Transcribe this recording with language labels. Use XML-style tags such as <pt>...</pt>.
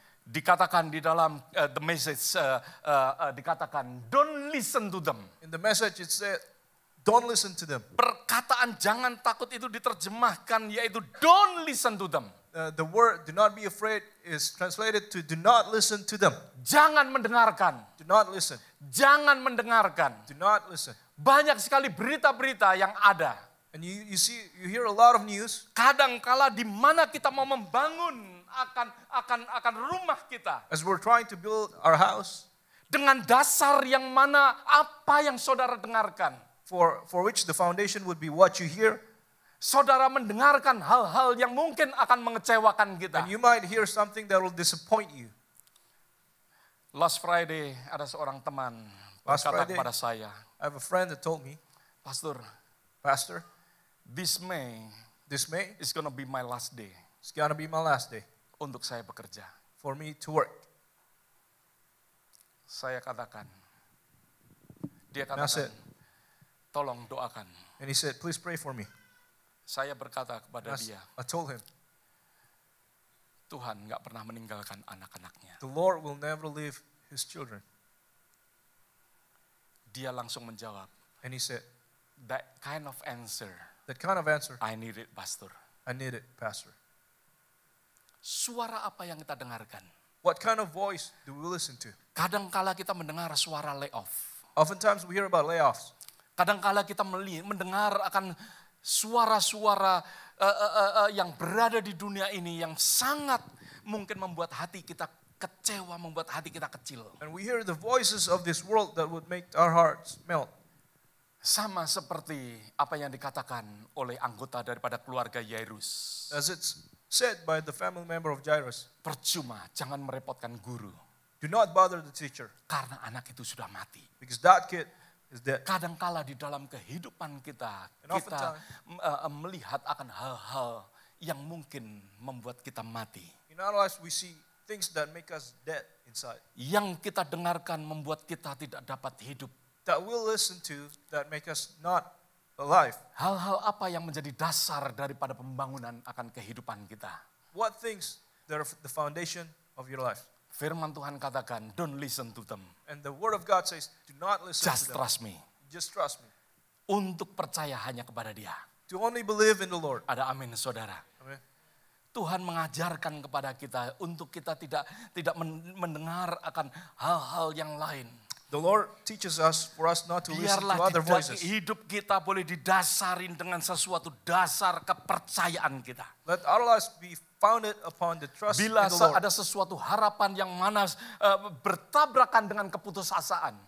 <id>Dikatakan di dalam</id> <en>the message,</en> <id>dikatakan,</id> <en>don't listen to them. In the message it said, don't listen to them.</en> <id>Perkataan jangan takut itu diterjemahkan yaitu</id> <en>don't listen to them. The word do not be afraid is translated to do not listen to them.</en> <id>Jangan mendengarkan.</id> <en>Do not listen.</en> <id>Jangan mendengarkan.</id> <en>Do not listen.</en> <id>Banyak sekali berita-berita yang ada.</id> <en>And you see, you hear a lot of news.</en> <id>Kadangkala di mana kita mau membangun akan rumah kita.</id> <en>As we're trying to build our house.</en> <id>Dengan dasar yang mana apa yang saudara dengarkan.</id> <en>For which the foundation would be what you hear.</en> <id>Saudara mendengarkan hal-hal yang mungkin akan mengecewakan kita.</id> <en>And you might hear something that will disappoint you. Last Friday</en> <id>ada seorang teman berkata kepada saya.</id> <en>I have a friend that told me. Pastor. This May is going to be my last day. It's going to be my last day.</en> <id>Untuk saya bekerja.</id> <en>For me to work.</en> <id>Saya katakan. Dia katakan.</id> <en>And I said,</en> <id>tolong doakan.</id> <en>And he said, please pray for me.</en> <id>Saya berkata kepada dia.</id> <en>I told him.</en> <id>Tuhan enggak pernah meninggalkan anak-anaknya.</id> <en>The Lord will never leave his children.</en> <id>Dia langsung menjawab.</id> <en>And he said, that kind of answer. That kind of answer. I need it, Pastor. I need it, Pastor.</en> <id>Suara apa yang kita dengarkan?</id> <en>What kind of voice do we listen to?</en> <id>Kadangkala kita mendengar suara layoff.</id> <en>Oftentimes we hear about layoffs.</en> <id>Kadangkala kita mendengar akan suara-suara yang berada di dunia ini yang sangat mungkin membuat hati kita kecewa, membuat hati kita kecil.</id> <en>And we hear the voices of this world that would make our hearts melt.</en> <id>Sama seperti apa yang dikatakan oleh anggota daripada keluarga Jairus.</id> <en>As it's said by the family member of Jairus.</en> <id>Percuma, jangan merepotkan guru.</id> <en>Do not bother the teacher.</en> <id>Karena anak itu sudah mati.</id> <en>Because that kid is dead.</en> <id>Kadangkala di dalam kehidupan kita, and kita melihat akan hal-hal yang mungkin membuat kita mati.</id> <en>In our lives we see things that make us dead inside.</en> <id>Yang kita dengarkan membuat kita tidak dapat hidup.</id> <en>That we listen to that make us not alive.</en> <id>Hal-hal apa yang menjadi dasar daripada pembangunan akan kehidupan kita?</id> <en>What things that are the foundation of your life?</en> <id>Firman Tuhan katakan,</id> <en>don't listen to them. And the word of God says, do not listen just to them. Trust me. Just trust me.</en> <id>Untuk percaya hanya kepada Dia.</id> <en>To only believe in the Lord.</en> <id>Ada amin, saudara.</id> <en>Amen.</en> <id>Tuhan mengajarkan kepada kita untuk kita tidak mendengar akan hal-hal yang lain.</id> <en>The Lord teaches us for us not to</en> <id>biarlah</id> <en>listen to other voices.</en> <id>Hidup kita boleh didasarin dengan sesuatu dasar kepercayaan kita.</id> <en>Let our lives be founded upon the trust</en> <id>bila</id> <en>in the Lord.</en> <id>Bila ada sesuatu harapan yang mana bertabrakan dengan keputusasaan.</id>